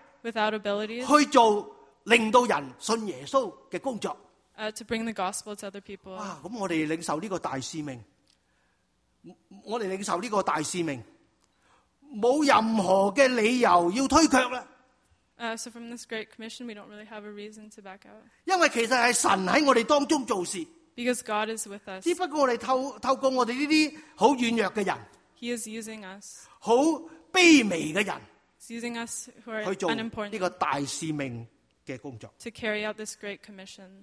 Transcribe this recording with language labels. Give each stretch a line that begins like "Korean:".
English: without abilities,
Chinese: 去做令到人信耶稣的工作，
English: to bring the gospel to other people.
Chinese: 哇，那我们领受这个大使命，我们领受这个大使命，没有任何的理由要推却了。
English: So from this great commission, we don't really have a reason to back out.
Chinese: 因为其实是神在我们当中做事。
English: Because God is with us.
Chinese: 只不过我们透过我们这些很软弱的人，
English: He is using us.
Chinese: 很卑微的人，
English: He's using us who are unimportant.
Chinese: 去做这个大使命的工作，
English: to carry out this great commission.